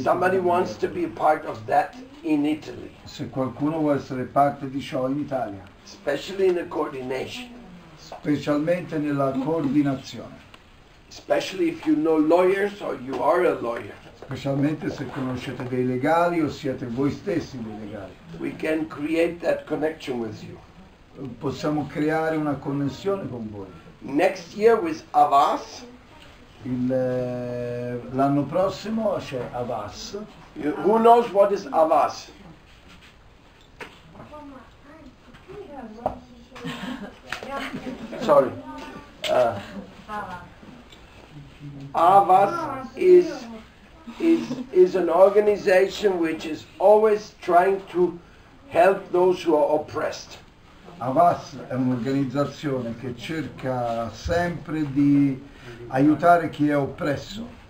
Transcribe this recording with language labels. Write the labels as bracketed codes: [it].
[en] Somebody wants to be a part of that in Italy. [it] Se qualcuno vuole essere parte di ciò in Italia. [en] Especially in the coordination. [it] Specialmente nella coordinazione. [en] Especially if you know lawyers or you are a lawyer. [it] Specialmente se conoscete dei legali o siete voi stessi dei legali. [en] We can create that connection with you. [it] Possiamo creare una connessione con voi. [en] Next year with Avas. [it] L'anno prossimo c'è Avas. [en] Who knows what is Avas? Sorry. Avas is an organization which is always trying to help those who are oppressed. [it] Avas è un'organizzazione che cerca sempre di aiutare chi è oppresso.